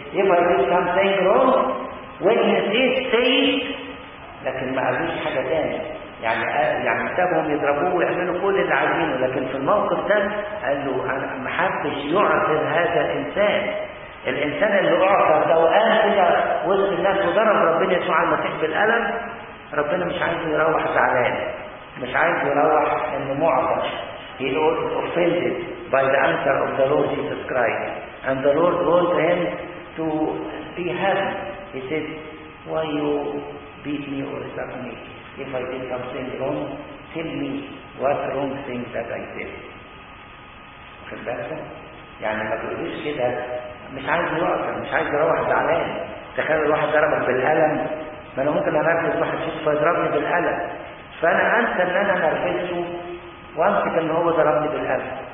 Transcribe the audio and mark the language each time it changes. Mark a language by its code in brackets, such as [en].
[en] If I did something wrong, witness it, say it. [ar] لكن ما قالوش حاجة تاني. يعني سابهم يضربوه ويعملوا كل اللي عايزينه، لكن في الموقف ده قال له أنا ما حبش يعثر هذا الإنسان. الإنسان اللي أعثر ده وقال كده وسط الناس وضرب ربنا يسوع المسيح بالألم، ربنا مش عايزه يروح زعلان، مش عايزه يروح إنه معثر. [en] He was offended by the answer of the Lord Jesus Christ. And the Lord wrote to him to be happy. He said, why you beat me or slap me? If I did something wrong, tell me what wrong thing that I did. For example, [ar] يعني ما تقولوش كده، مش عايز يوقف، مش عايز يروح زعلان. تخيل الواحد ضربك بالألم، ما انا ممكن انرفز واحد شيء فيضربني بالألم. فانا انسى ان انا نرفزه وامسك ان هو ضربني بالقلب.